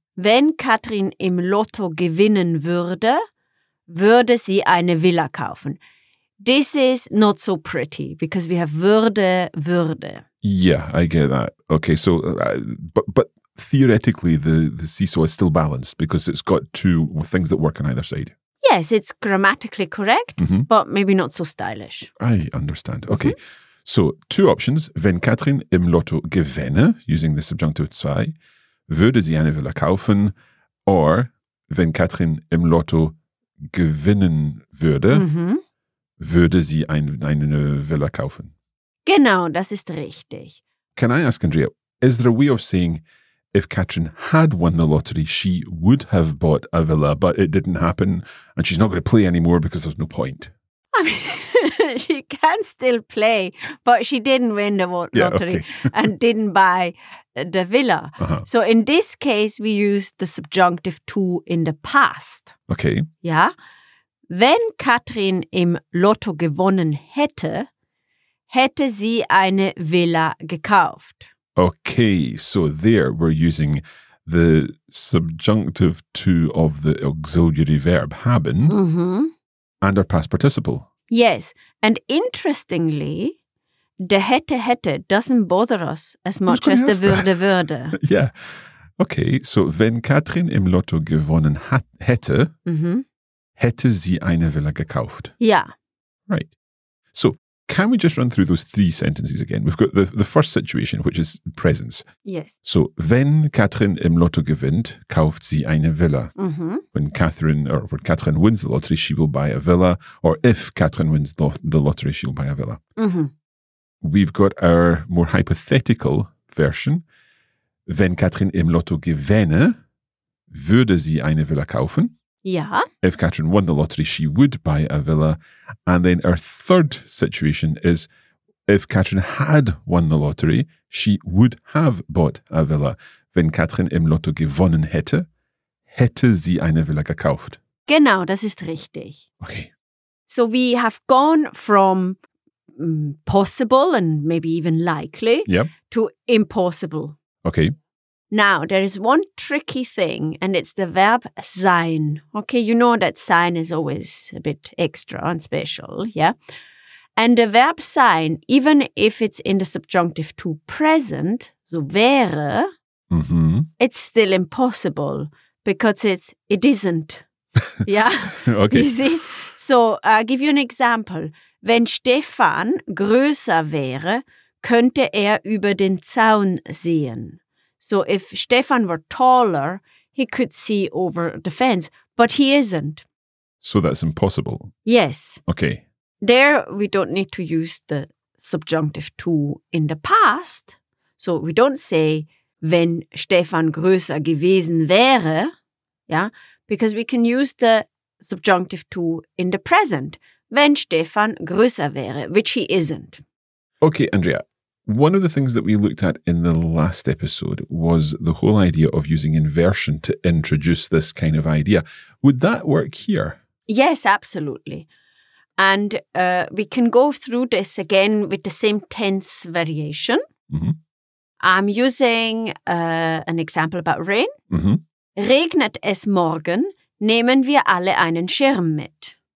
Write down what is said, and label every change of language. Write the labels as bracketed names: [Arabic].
[German] Wenn Katrin im Lotto gewinnen würde, würde sie eine Villa kaufen. [English] This is not so pretty because we have würde. Yeah, I get that. Okay, so, but theoretically the seesaw is still balanced because it's got two things that work on either side. Yes, it's grammatically correct, mm-hmm. but maybe not so stylish. I understand. Okay, mm-hmm. So two options. [German] Wenn Katrin im Lotto gewinne, [English] using the subjunctive [German] zwei, würde sie eine Villa kaufen, [English] or [German] wenn Katrin im Lotto gewinnen würde, mm-hmm. würde sie eine Villa kaufen. Genau, das ist richtig. [English] Can I ask, Andrea, is there a way of saying if Katrin had won the lottery, she would have bought a villa, but it didn't happen and she's not going to play anymore because there's no point? I mean, she can still play, but she didn't win the lottery, yeah, okay. and didn't buy the villa. Uh-huh. So in this case, we use the subjunctive to in the past. Okay. Yeah. [German] Wenn Katrin im Lotto gewonnen hätte, hätte sie eine Villa gekauft. [English] Okay, so there we're using the subjunctive to of the auxiliary verb haben mm-hmm. and our past participle. Yes, and interestingly, the hätte doesn't bother us as much as the würde. Yeah. Okay, so [German] wenn Katrin im Lotto gewonnen hätte, mm-hmm. hätte sie eine Villa gekauft. [English] Yeah. Right. So, can we just run through those three sentences again? We've got the first situation, which is presence. Yes. [German] So, wenn Katrin im Lotto gewinnt, kauft sie eine Villa. Mm-hmm. [English] When Katrin wins the lottery, she will buy a villa. Or if Katrin wins the lottery, she'll buy a villa. Mm-hmm. We've got our more hypothetical version. [German] Wenn Katrin im Lotto gewinne, würde sie eine Villa kaufen. [English] Yeah. If Katrin won the lottery, she would buy a villa. And then our third situation is if Katrin had won the lottery, she would have bought a villa. [German] Wenn Katrin im Lotto gewonnen hätte, hätte sie eine Villa gekauft. Genau, das ist richtig. [English] Okay. So we have gone from possible and maybe even likely yep. to impossible. Okay. Now, there is one tricky thing, and it's the verb sein. Okay, you know that sein is always a bit extra and special, yeah? And the verb sein, even if it's in the subjunctive to present, so wäre, mm-hmm. it's still impossible because it isn't, yeah? Okay. You see? So, I'll give you an example. [German] Wenn Stefan größer wäre, könnte er über den Zaun sehen. [English] So if Stefan were taller, he could see over the fence, but he isn't. So that's impossible? Yes. Okay. There we don't need to use the subjunctive to in the past. So we don't say, [German] wenn Stefan größer gewesen wäre, [English] yeah, because we can use the subjunctive to in the present, [German] wenn Stefan größer wäre, [English] which he isn't. Okay, Andrea. One of the things that we looked at in the last episode was the whole idea of using inversion to introduce this kind of idea. Would that work here? Yes, absolutely. And we can go through this again with the same tense variation. Mm-hmm. I'm using an example about rain. Mm-hmm. [German] Regnet es morgen, nehmen wir alle einen Schirm mit.